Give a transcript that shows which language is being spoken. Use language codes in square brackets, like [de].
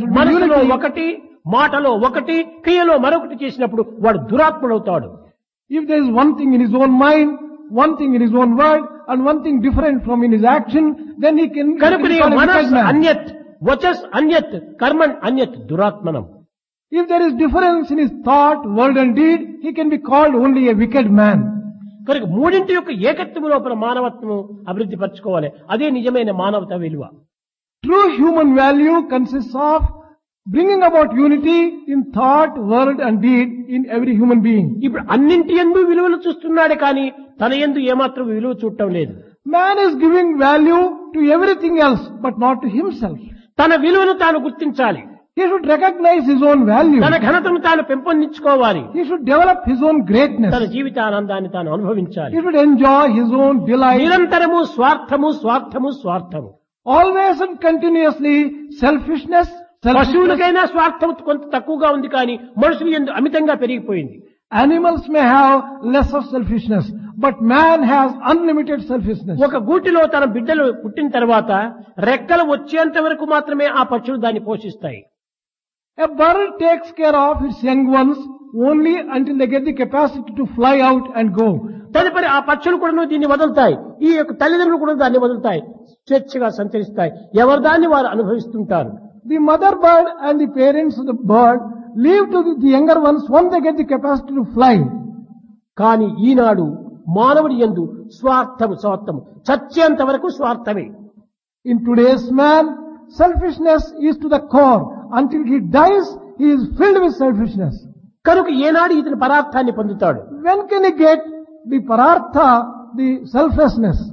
[te] మనసులో ఒకటి మాటలో ఒకటి క్రియలో మరొకటి చేసినప్పుడు వాడు దురాత్ముడవుతాడు. [en] if there is one thing in his own mind one thing in his own word and one thing different from in his action then he can [sa] అన్యత్ వచస్ అన్యత్ Karman అన్యత్ దురాత్మనం. [en] If there is difference in his thought, word and deed, he can be called only a wicked man. [te] కరిగ మూడింటి యొక్క ఏకత్వము లోపల మానవత్వము అభివృద్ధి పరచుకోవాలి. అదే నిజమైన మానవత విలువ. [en] True human value consists of bringing about unity in thought, word and deed in every human being. [te] ఇప్పుడు అన్నింటి యందు విలువలు చూస్తున్నాడు కానీ తన యందు ఏమాత్రం విలువ చూడటం లేదు. [en] Man is giving value to everything else but not to himself. [te] తన విలువను తాను గుర్తించాలి. [en] He should recognize his own value. [te] తన ఘనతను తాను పెంపొందించుకోవాలి. [en] He should develop his own greatness. [te] తన జీవిత ఆనందాన్ని తాను అనుభవించాలి. [en] He should enjoy his own delight. [te] నిరంతరము స్వార్థము స్వార్థము స్వార్థము. [en] Always and continuously selfishness. [te] పశువులకైనా స్వార్థం కొంత తక్కువగా ఉంది కానీ మనుషులు ఎందు అమితంగా పెరిగిపోయింది. [en] Animals may have less of selfishness, but man has unlimited selfishness. [te] ఒక గూటిలో తన బిడ్డలు పుట్టిన తర్వాత రెక్కలు వచ్చేంత వరకు మాత్రమే ఆ పక్షులు దాన్ని పోషిస్తాయి. [en] A bird takes care of its young ones only until they get the capacity to fly out and go. [te] తదుపరి ఆ పక్షులు కూడా దీన్ని వదులుతాయి. ఈ యొక్క తల్లిదండ్రులు కూడా దాన్ని వదులుతాయి. స్వేచ్ఛగా సంచరిస్తాయి. ఎవరి దాన్ని వారు అనుభవిస్తుంటారు. [en] The mother bird and the parents of the bird leave to the younger ones when they get the capacity to fly. [te] కాని ఈనాడు మానవుడి యందు స్వార్థము స్వార్థము చచ్చేంత వరకు స్వార్థమే. [en] In today's man, selfishness is to the core. Until he dies, he is filled with selfishness. [te] కనుక ఏనాడు ఇతను పరార్థాన్ని పొందుతాడు? [en] When can he get the పరార్థ, the selflessness?